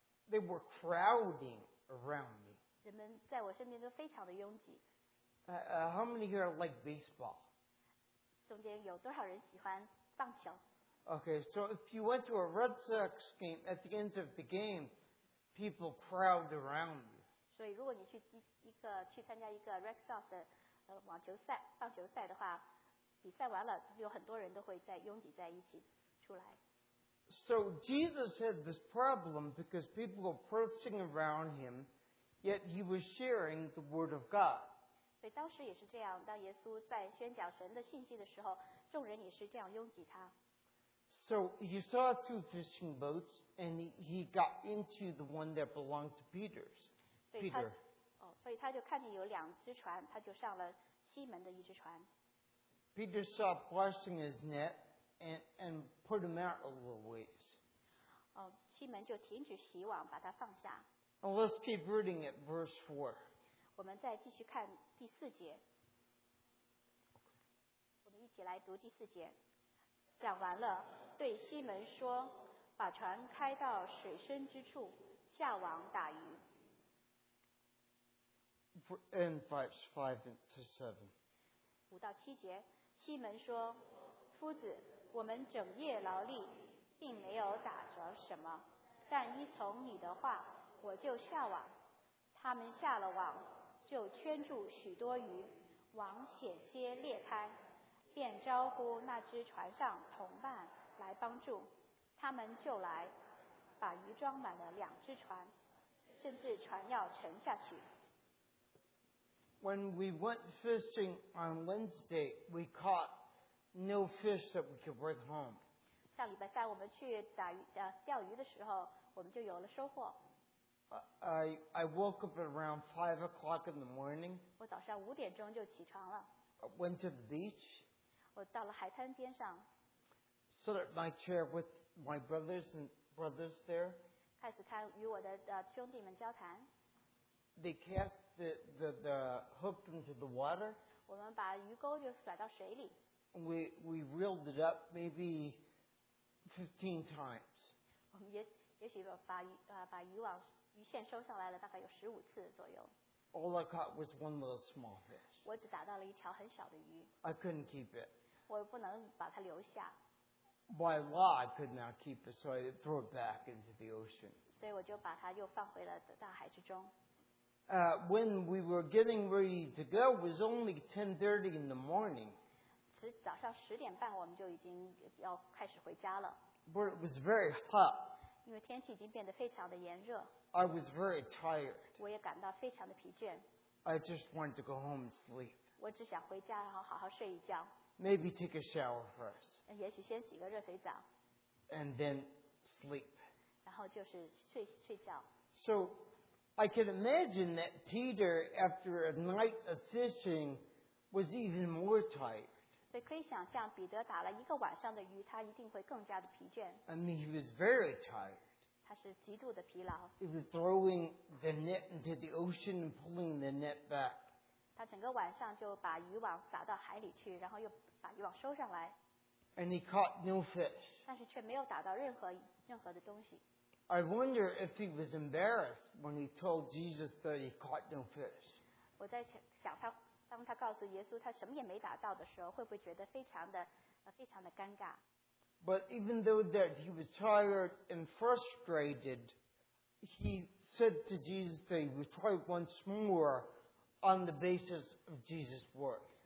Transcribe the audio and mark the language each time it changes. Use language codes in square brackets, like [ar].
[en] They were crowding around me. [zh] 人们在我身边都非常的拥挤。 [en] How many here like baseball? [zh] 中间有多少人喜欢棒球？ [en] Okay, so if you went to a Red Sox game at the end of the game, people crowd around you. [zh] 所以如果你去一个去参加一个 Red Sox 的网球赛棒球赛的话，比赛完了有很多人都会在拥挤在一起出来。 [en] So Jesus had this problem because people were pressing around him, yet he was sharing the word of God. [zh] 所以当时也是这样，当耶稣在宣讲神的信息的时候，众人也是这样拥挤他。 [en] So he saw two fishing boats, and he got into the one that belonged to Peter's. Peter. [zh] 所以他就看见有两只船，他就上了西门的一只船。 [en] Peter stopped washing his net and put him out a little ways. [zh] 西门就停止洗网，把它放下。 [en] Let's keep reading at verse 4. [zh] 我们再继续看第四节。我们一起来读第四节。讲完了，对西门说：“把船开到水深之处，下网打鱼。” [en] And verse 5-7. [zh] 五到七节，西门说：“夫子，我们整夜劳力，并没有打着什么，但依从你的话，我就下网。” 他们下了网，就圈住许多鱼，网险些裂开。便招呼那只船上同伴来帮助，他们就来，把鱼装满了两只船，甚至船要沉下去。 [en] When we went fishing on Wednesday, we caught no fish that we could bring home. [zh] 上礼拜三我们去打鱼钓鱼的时候，我们就有了收获。 [en] I woke up at around 5 o'clock in the morning. [zh] 我早上五点钟就起床了。 [en] Went to the beach. [zh] 我到了海滩边上 [en] ，sit at my chair with my brothers there. [zh] 开始谈与我的兄弟们交谈。 [en] They cast the hook into the water. [zh] 我们把鱼钩就甩到水里。 [en] We reeled it up maybe 15 times. [zh] 我们也许把渔网鱼线收上来了，大概有15次左右。 [en] All I caught was one little small fish. [zh] 我只打到了一条很小的鱼。 [en] I couldn't keep it. [zh] 我不能把它留下。 [en] By law, I could not keep it, so I threw it back into the ocean. [zh] 所以我就把它又放回了大海之中。 [en] When we were getting ready to go, it was only 10:30 in the morning. [zh] 是早上十点半，我们就已经要开始回家了。 [en] But it was very hot. [zh] 因为天气已经变得非常的炎热。 [en] I was very tired. [zh] 我也感到非常的疲倦。 [en] I just wanted to go home and sleep. [zh] 我只想回家，然后好好睡一觉。 [en] Maybe take a shower first. [zh] 也许先洗个热水澡。 [en] And then sleep. [zh] 然后就是睡觉。 [en] So I can imagine that Peter, after a night of fishing, was even more tired. [zh] 所以可以想象彼得打了一个晚上的鱼，他一定会更加的疲倦。 [en] I mean, he was very tired. [zh] 他是极度的疲劳。 [en] He was throwing the net into the ocean and pulling the net back. [zh] 他整个晚上就把渔网撒到海里去，然后又把渔网收上来。 [en] And he caught no fish. [zh] 但是却没有打到任何的东西。 [en] I wonder if he was embarrassed when he told Jesus that he caught no fish. [zh] 我在想他。当他告诉耶稣他什么也没打到的时候，会不会觉得非常的尴尬？ [en] But even though that he was tired and frustrated, he said to Jesus that he would try once more on the basis of Jesus' word.